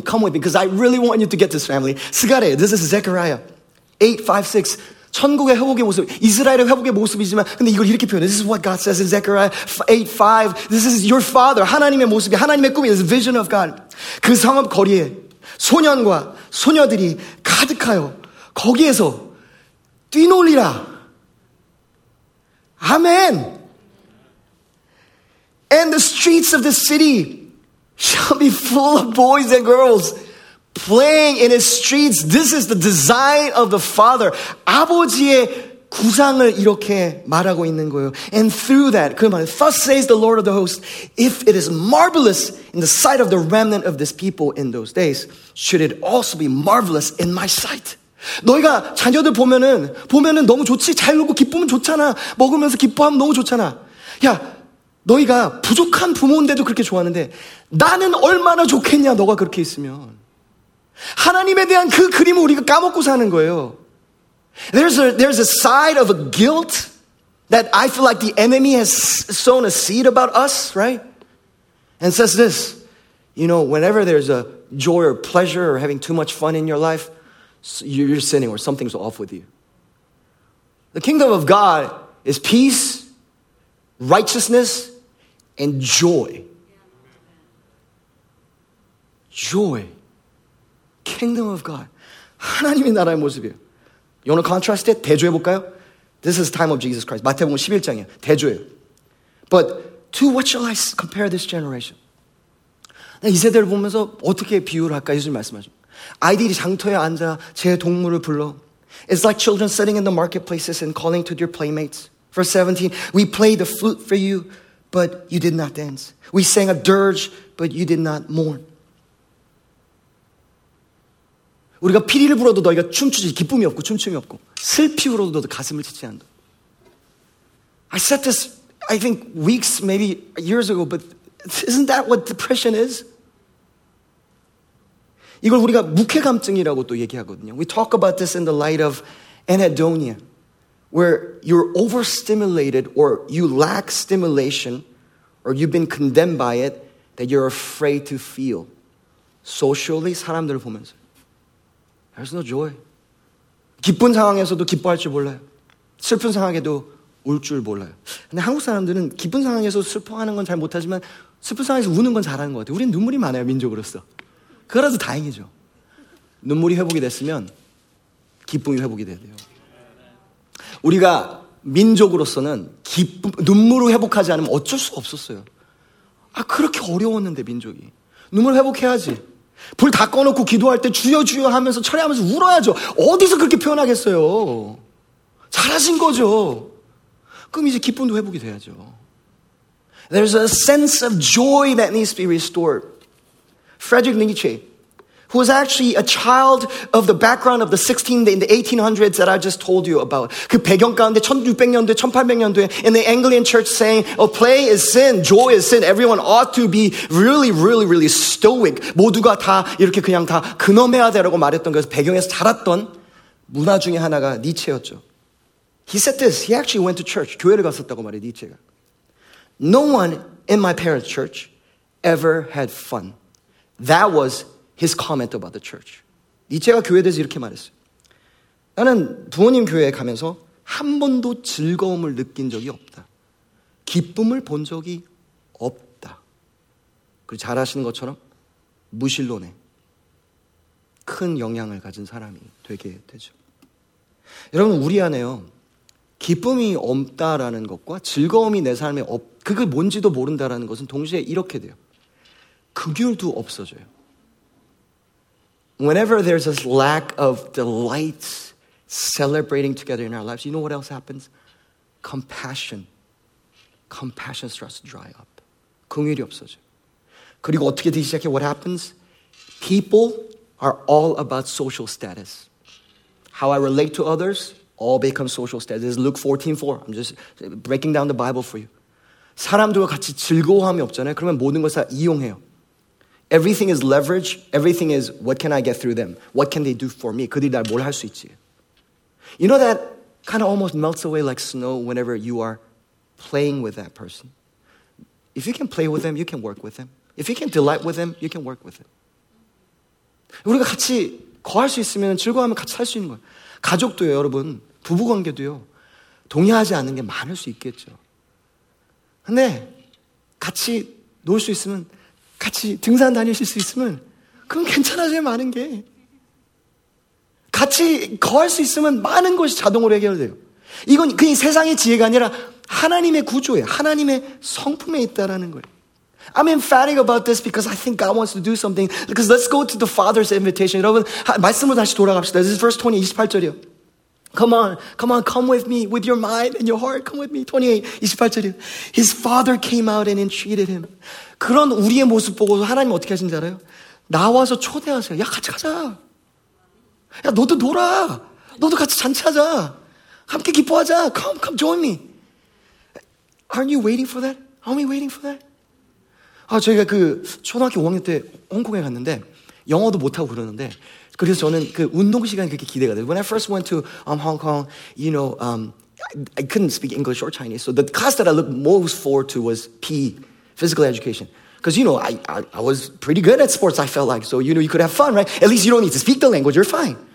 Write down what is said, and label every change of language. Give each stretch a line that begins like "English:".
English: Come with me because I really want you to get this family. Zechariah, this is Zechariah 8:5-6.
Korean: 천국의 회복의 모습, 이스라엘의 회복의 모습이지만 근데 이걸 이렇게 표현해.
English: This is what God says in Zechariah 8:5. This is your father,
Korean: 하나님의 모습이, 하나님의 꿈이,
English: this vision of God.
Korean: 그 성읍 거리에 소년과 소녀들이 가득하여 거기에서 뛰놀리라. 아멘.
English: And the streets of the city shall be full of boys and girls playing in its streets. This is the design of the Father.
Korean: 아버지의 구상을 이렇게 말하고 있는 거예요.
English: And through that,
Korean: 그 말,
English: thus says the Lord of the hosts, if it is marvelous in the sight of the remnant of this people in those days, should it also be marvelous in my sight?
Korean: 너희가 자녀들 보면은 너무 좋지? 자유롭고 기쁨은 좋잖아. 먹으면서 기뻐하면 너무 좋잖아. 야, 너희가 부족한 부모인데도 그렇게 좋았는데 나는 얼마나 좋겠냐, 너가 그렇게 있으면. 하나님에 대한 그 그림을 우리가 까먹고 사는 거예요.
English: There's a side of a guilt that I feel like the enemy has sown a seed about us, right? And says this, you know, whenever there's a joy or pleasure or having too much fun in your life, so you're sinning or something's off with you. The kingdom of God is peace, righteousness, and joy. Joy. Kingdom of God.
Korean: 하나님의 나라의 모습이에요.
English: You want to contrast it?
Korean: 대조해볼까요?
English: This is the time of Jesus Christ.
Korean: 마태복음 11장이에요. 대조예요.
English: But to what shall I compare this generation?
Korean: 이 세대를 보면서 어떻게 비유를 할까? 예수님 말씀하십니다. 아이들이 장터에 앉아 제 동물을 불러.
English: It's like children sitting in the marketplaces and calling to their playmates. Verse 17, we played the flute for you, but you did not dance. We sang a dirge, but you did not mourn.
Korean: 우리가 피리를 불어도 너희가 춤추지. 기쁨이 없고 춤춤이 없고. 슬피 울어도 너도 가슴을 치지 않아.
English: I said this, I think, weeks, maybe years ago, but isn't that what depression is?
Korean: 이걸 우리가 묵혜 감증이라고 또 얘기하거든요.
English: We talk about this in the light of anhedonia. where you're overstimulated or you lack stimulation or you've been condemned by it that you're afraid to feel. Socially,
Korean: 사람들을 보면서.
English: There's no joy.
Korean: 기쁜 상황에서도 기뻐할 줄 몰라요. 슬픈 상황에도 울 줄 몰라요. 근데 한국 사람들은 기쁜 상황에서 슬퍼하는 건 잘 못하지만 슬픈 상황에서 우는 건 잘하는 것 같아요. 우린 눈물이 많아요, 민족으로서. 그거라도 다행이죠. 눈물이 회복이 됐으면 기쁨이 회복이 돼야 돼요. 우리가 민족으로서는 기쁨, 눈물을 회복하지 않으면 어쩔 수 없었어요. 아, 그렇게 어려웠는데, 민족이. 눈물 회복해야지. 불 다 꺼놓고 기도할 때 주여 주여 하면서 철회하면서 울어야죠. 어디서 그렇게 표현하겠어요. 잘하신 거죠. 그럼 이제 기쁨도 회복이 돼야죠.
English: There's a sense of joy that needs to be restored. Friedrich Nietzsche, who was actually a child of the background of the 16th in the 1800s that I just told you about.
Korean: 그 배경 가운데 1600년대, 1800년대
English: in the Anglican church saying, oh, play is sin, joy is sin. Everyone ought to be really, really, really stoic.
Korean: 모두가 다 이렇게 그냥 다 근엄해야 되라고 말했던 그래서 배경에서 자랐던 문화 중에 하나가 니체였죠.
English: He said this, he actually went to church.
Korean: 교회를 갔었다고 말해, 니체가.
English: No one in my parents' church ever had fun. That was his comment about the church.
Korean: 니체가 교회에 대해서 이렇게 말했어요. 나는 부모님 교회에 가면서 한 번도 즐거움을 느낀 적이 없다. 기쁨을 본 적이 없다. 그리고 잘 아시는 것처럼 무신론에 큰 영향을 가진 사람이 되게 되죠. 여러분 우리 안에요. 기쁨이 없다라는 것과 즐거움이 내 삶에 없, 그게 뭔지도 모른다라는 것은 동시에 이렇게 돼요. 극율도 없어져요.
English: Whenever there's this lack of delight celebrating together in our lives, you know what else happens? Compassion starts to dry up.
Korean: 긍휼이 없어져요. 그리고 어떻게 되기 시작해?
English: What happens? People are all about social status. How I relate to others, all become social status. This is Luke 14:4. I'm just breaking down the Bible for you.
Korean: 사람들과 같이 즐거워함이 없잖아요. 그러면 모든 것을 다 이용해요.
English: Everything is leverage. Everything is what can I get through them? What can they do for me?
Korean: 그들이 나를 뭘 할 수 있지?
English: You know that kind of almost melts away like snow whenever you are playing with that person. If you can play with them, you can work with them. If you can delight with them, you can work with them.
Korean: 우리가 같이 거할 수 있으면 즐거워하면 같이 살 수 있는 거예요. 가족도요, 여러분. 부부관계도요. 동의하지 않는 게 많을 수 있겠죠. 근데 같이 놀 수 있으면 같이 등산 다니실 수 있으면 그건 괜찮아져요, 많은 게. 같이 거할 수 있으면 많은 것이 자동으로 해결돼요. 이건 그냥 세상의 지혜가 아니라 하나님의 구조예요. 하나님의 성품에 있다라는 거예요.
English: I'm emphatic about this because I think God wants to do something. Because let's go to the Father's invitation.
Korean: 여러분, 말씀으로 다시 돌아갑시다.
English: This is verse 20,
Korean: 28절이요.
English: Come on, come with me with your mind and your heart. Come with me, 28,
Korean: 28절이요.
English: His Father came out and entreated him.
Korean: 그런 우리의 모습 보고서 하나님 어떻게 하신지 알아요? 나와서 초대하세요. 야, 같이 가자. 야, 너도 놀아. 너도 같이 잔치하자. 함께 기뻐하자.
English: Come, join me. Aren't you waiting for that? Are we waiting for that?
Korean: 아, 저희가 그 초등학교 5학년 때 홍콩에 갔는데 영어도 못하고 그러는데 그래서 저는 그 운동 시간이 그렇게 기대가 돼요.
English: When I first went to Hong Kong, you know, I couldn't speak English or Chinese. So the class that I looked most forward to was PE, physical education. Because, you know, I was pretty good at sports, I felt like. So, you know, you could have fun, right? At least you don't need to speak the language, you're fine.